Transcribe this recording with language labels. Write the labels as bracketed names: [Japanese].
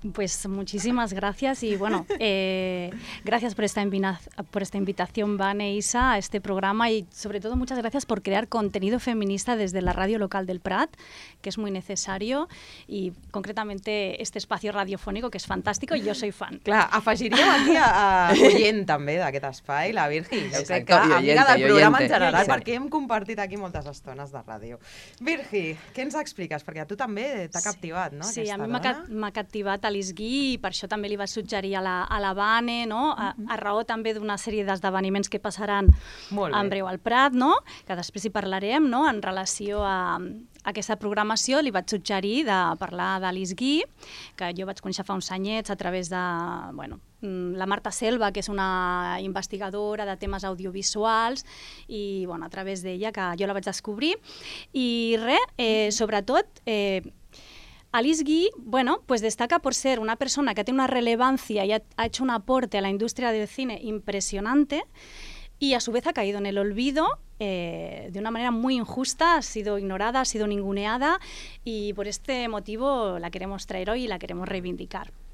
[Spanish] Pues muchísimas gracias y bueno, gracias por esta invitación, Vane, Isa, a este programa, y sobre todo muchas gracias por crear contenido feminista desde la radio local del Prat, que es muy necesario, y concretamente este espacio radiofónico que es fantástico y yo soy fan. Claro, [Catalan] afegiría aquí a Oyent [Spanish] también, [Catalan] de aquest espai, la Virgi. [Spanish] Exacto, y Oyente. Amiga del programa en general. Sí. [Catalan] Perquè hem compartit aquí moltes estones de ràdio. Virgi, què ens expliques? Perquè a tu també t'ha captivat, sí, no? Sí, a mi m'ha captivat Alice Guy i per això també li va suggerir a la Vane, no? Mm-hmm. A raó també d'una sèrie d'esdeveniments que passaran en breu al Prat, no? Que després hi parlarem, no? En relació a aquesta programació li vaig suggerir de parlar d'Alice Guy, que jo vaig conèixer fa uns anyets a través de, bueno, la Marta Selva, que és una investigadora de temes audiovisuals, i bueno, a través d'ella que jo la vaig descobrir. I res, sobretot, [Spanish] Alice Guy, bueno, pues destaca por ser una persona que [Catalan] té una relevància i [Spanish] ha hecho un aporte a la indústria del cine impresionante, y a su vez ha caído en el olvido de una manera muy injusta, ha sido ignorada, ha sido ninguneada, y por este motivo la queremos traer hoy y la queremos reivindicar.